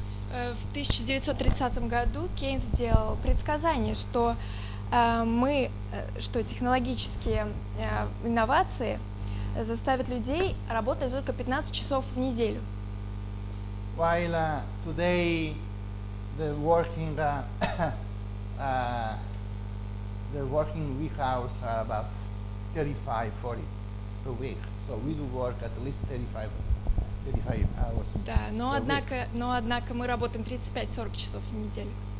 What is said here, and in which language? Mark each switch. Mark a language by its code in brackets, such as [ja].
[ru] В 1930 году Кейнс сделал предсказание, что мы, что технологические инновации заставят людей работать только 15 часов в неделю. [en] While today the working the working week hours are about 35-40 per week, so we do work at least 35 hours. [ru] Да, но однако мы работаем 35-40 часов в неделю.